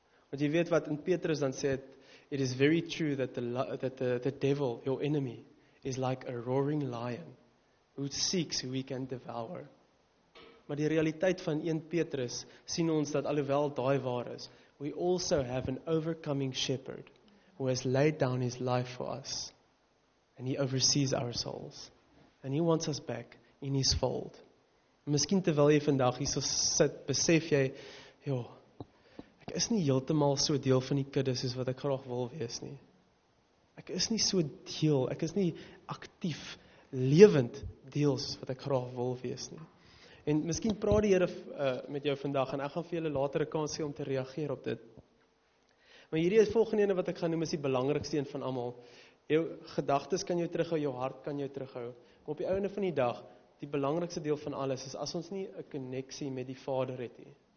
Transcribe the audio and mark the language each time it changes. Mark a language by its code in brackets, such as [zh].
[af] Want jy weet wat in Petrus dan sê het, [en] It is very true that the devil, your enemy, is like a roaring lion who seeks who he can devour. [af] Maar die realiteit van 1 Petrus sien ons dat alhoewel daai waar is, [en] we also have an overcoming shepherd who has laid down his life for us. And he oversees our souls. And he wants us back in his fold. [af] Miskien terwyl jy vandag hier so sit, besef jy, joh, Ek is nie heeltemal so deel van die kudde soos wat ek graag wil wees nie. Ek is nie so deel, ek is nie aktief, lewend deel soos wat ek graag wil wees nie. En miskien praat die Here met jou vandag en ek gaan vir julle later 'n kans gee om te reageer op dit. Maar hierdie is volgende ene wat ek gaan noem is die belangrikste een van almal. Jou gedagtes kan jou terughou, jou hart kan jou terughou. Maar op die einde van die dag, die belangrikste deel van alles is as ons nie 'n koneksie met die Vader het nie.